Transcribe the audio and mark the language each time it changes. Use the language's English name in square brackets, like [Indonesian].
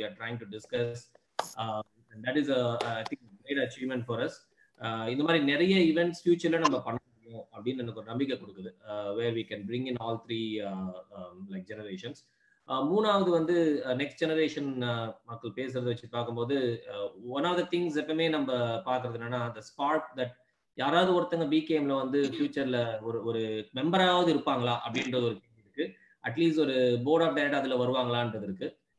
[English] That is a I think great achievement for us. [Tamil] இந்த மாதிரி நிறைய இவென்ட்ஸ் ஃபியூச்சர்ல நம்ம பண்ண முடியும் அப்படின்னு எனக்கு ஒரு நம்பிக்கை கொடுக்குது. [English] Where we can bring in all three like generations. [Tamil] மூணாவது வந்து நெக்ஸ்ட் ஜெனரேஷன் மக்கள் பேசுறதை வச்சு பார்க்கும்போது [English] one of the things [Tamil] எப்பவுமே நம்ம பாக்குறது என்னன்னா அந்த ஸ்பார்க் தட் யாராவது ஒருத்தங்க பிகேம்ல வந்து ஃபியூச்சர்ல ஒரு மெம்பராவது இருப்பாங்களா அப்படின்றது ஒரு கேள்வி இருக்கு. அட்லீஸ்ட் ஒரு போர்ட் ஆஃப் டைரக்டர் அதுல வருவாங்களான்றது இருக்கு.